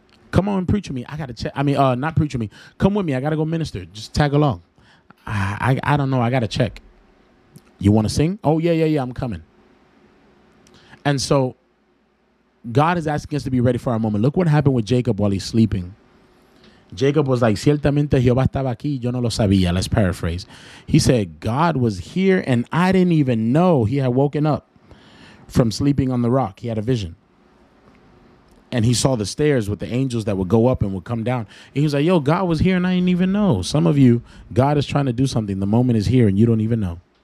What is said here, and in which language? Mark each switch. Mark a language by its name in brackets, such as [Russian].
[English] Come on, preach with me. I got to check. Not preach with me. Come with me. I got to go minister. Just tag along. I don't know. I got to check. You want to sing? Oh, yeah. I'm coming. And so God is asking us to be ready for our moment. Look what happened with Jacob while he's sleeping. Jacob was like, [Spanish] ciertamente Jehová estaba aquí, yo no lo sabía. [English] Let's paraphrase. He said, God was here and I didn't even know. He had woken up from sleeping on the rock. He had a vision. And he saw the stairs with the angels that would go up and would come down. And he was like, yo, God was here and I didn't even know. Some of you, God is trying to do something. The moment is here and you don't even know.